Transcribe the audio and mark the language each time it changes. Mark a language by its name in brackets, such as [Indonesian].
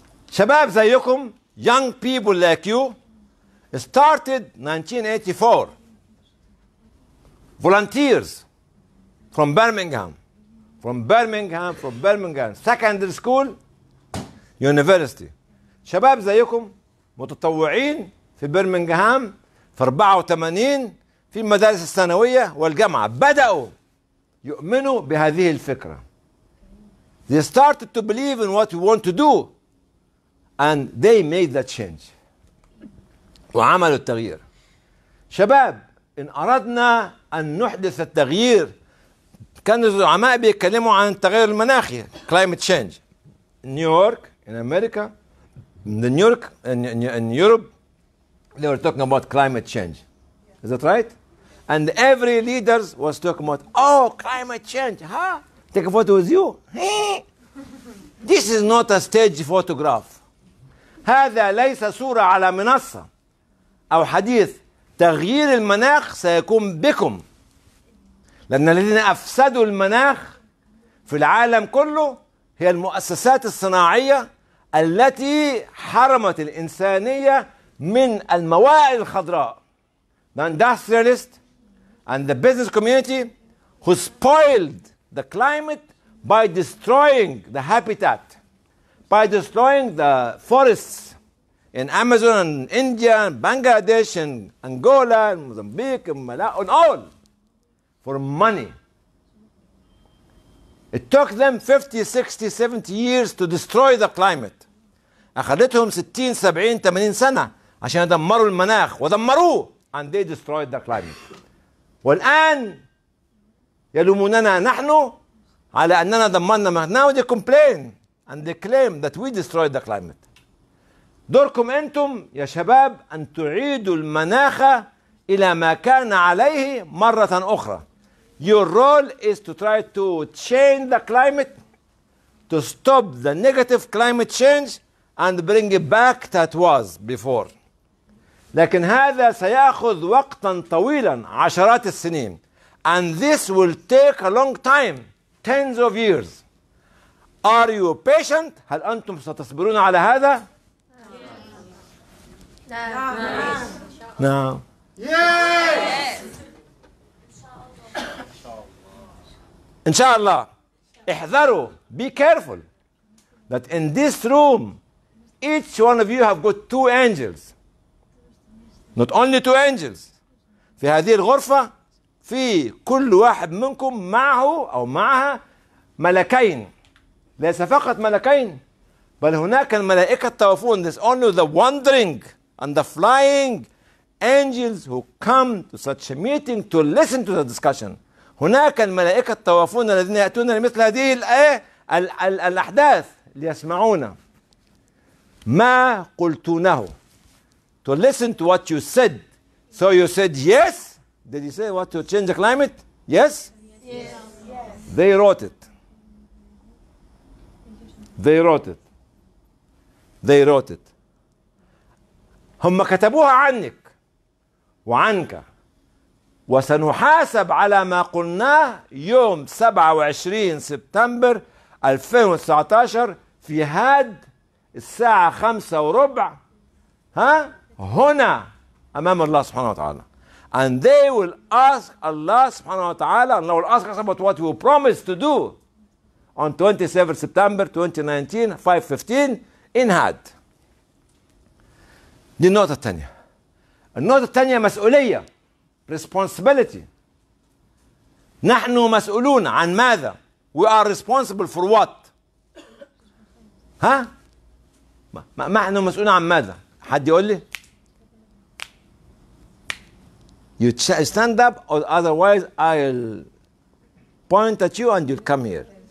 [Arabic] شباب زيكم، [English] young people like you, started 1984 volunteers from Birmingham, secondary school, university. [Arabic] شباب زيكم متطوعين في برمنغهام في 84 في المدارس الثانوية والجامعة، بدأوا يؤمنوا بهذه الفكرة. [English] They started to believe in what we want to do. And they made that change. [Arabic] وعملوا التغيير. شباب، إن أردنا أن نحدث التغيير، كان الزعماء بيتكلموا عن التغيير المناخي، [English] climate change. New York, in America, in the New York, in Europe, they were talking about climate change. Is that right? And every leaders was talking about, oh, climate change, huh? Take a photo with you. This is not a stage photograph. [Arabic] هذا ليس صورة على منصة أو حديث. تغيير المناخ سيكون بكم، لأن الذين أفسدوا المناخ في العالم كله هي المؤسسات الصناعية التي حرمت الإنسانية من الموائل الخضراء. [English] The industrialist and the business community who spoiled the climate by destroying the habitat, by destroying the forests in Amazon and India and Bangladesh and Angola and Mozambique and Malawi and all for money. It took them 50, 60, 70 years to destroy the climate. [Arabic] أخذتهم 60, 70, 80 سنة عشان يدمروا المناخ، ودمروه [English] and they destroyed the climate. [Arabic] والآن يلوموننا نحن على أننا دمرنا. [English] Now they complain and they claim that we destroyed the climate. [Arabic] دوركم أنتم يا شباب أن تعيدوا المناخ إلى ما كان عليه مرة أخرى. [English] Your role is to try to change the climate, to stop the negative climate change and bring it back that was before. [Arabic] لكن هذا سيأخذ وقتا طويلا, عشرات السنين. [English] And this will take a long time, tens of years. Are you patient? [Arabic] هل أنتم ستصبرون على هذا؟ نعم. إن شاء الله. احذروا. [English] Be careful that in this room, each one of you have got two angels. Not only two angels. [Arabic] في هذه الغرفة في كل واحد منكم معه أو معها ملكين. ليس فقط ملكين, بل هناك الملائكة الطوافون. [English] There's only the wandering and the flying angels who come to such a meeting to listen to the discussion. [Arabic] هناك الملائكة الطوافون الذين يأتون لمثل هذه الأحداث ليسمعون ما قلتونه. [English] To listen to what you said. So you said yes. Did you say what to change the climate? Yes? Yes. They wrote it. They wrote it. They wrote it. [Arabic] هم كتبوها عنك وعنك. وسنحاسب على ما قلناه يوم 27 سبتمبر 2019 في هاد الساعة 5:15 ها هنا أمام الله سبحانه وتعالى. [English] And they will ask Allah subhanahu wa ta'ala, and they will ask us about what we promised to do on 27 September 2019, 5:15 in Had. [Arabic] النقطة الثانية. النقطة الثانية مسؤولية. [English] Responsibility. [Arabic] نحن مسؤولون عن ماذا؟ [English] We are responsible for what? [Arabic] ها؟ ما نحن مسؤولون عن ماذا؟ حد يقول لي؟ [English] You stand up or otherwise I'll point at you and you'll come here.